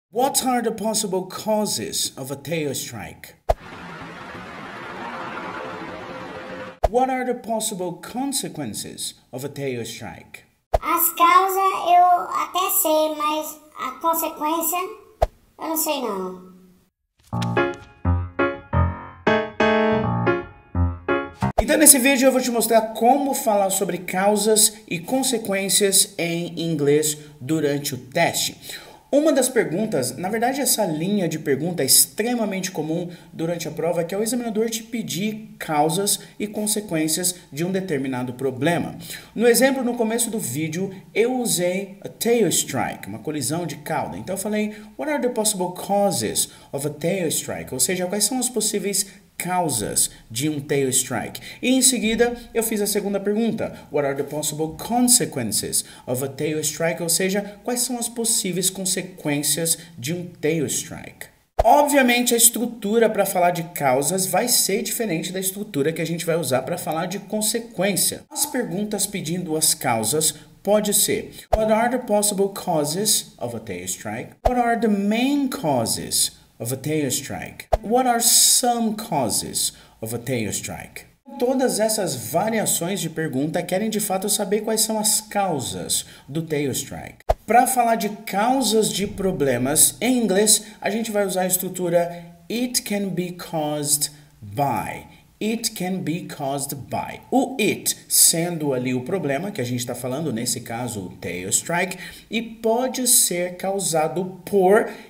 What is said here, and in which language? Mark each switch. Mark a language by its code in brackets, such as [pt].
[en] What are the possible causes of a tail strike? What are the possible consequences of a tail strike? [pt] As causas eu até sei, mas a consequência eu não sei não. Então nesse vídeo eu vou te mostrar como falar sobre causas e consequências em inglês durante o teste. Uma das perguntas, na verdade essa linha de pergunta é extremamente comum durante a prova, que é o examinador te pedir causas e consequências de um determinado problema. No exemplo, no começo do vídeo, eu usei a tail strike, uma colisão de cauda. Então eu falei, [en] what are the possible causes of a tail strike? [pt] Ou seja, quais são as possíveis causas de um tail strike? E em seguida, eu fiz a segunda pergunta. [en] What are the possible consequences of a tail strike? [pt] Ou seja, quais são as possíveis consequências de um tail strike? Obviamente, a estrutura para falar de causas vai ser diferente da estrutura que a gente vai usar para falar de consequência. As perguntas pedindo as causas pode ser: [en] What are the possible causes of a tail strike? What are the main causes of a tail strike? What are some causes of a tail strike? [pt] Todas essas variações de pergunta querem de fato saber quais são as causas do tail strike. Para falar de causas de problemas, em inglês, a gente vai usar a estrutura [en] it can be caused by. It can be caused by. [pt] O it sendo ali o problema que a gente está falando, nesse caso, o tail strike, e pode ser causado por.